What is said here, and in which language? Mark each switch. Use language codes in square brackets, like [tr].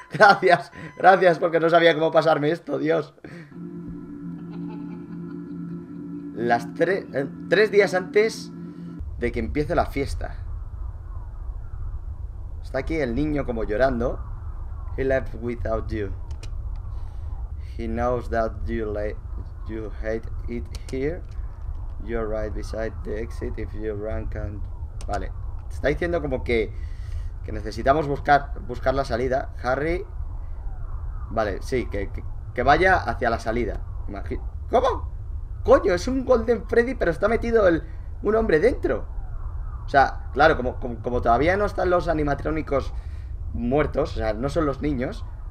[es] Gracias, gracias, porque no sabía cómo pasarme esto, Dios. Las tres días antes de que empiece la fiesta. Está aquí el niño como llorando. [en] He left without you. He knows that you hate it here. You're right beside the exit if you run can't. [es] Vale, está diciendo como que necesitamos buscar la salida. Harry. Vale, sí, que vaya hacia la salida. ¿Cómo? ¡Coño! Es un Golden Freddy, pero está metido un hombre dentro. O sea, claro, como todavía no están los animatrónicos muertos, o sea, no son los niños.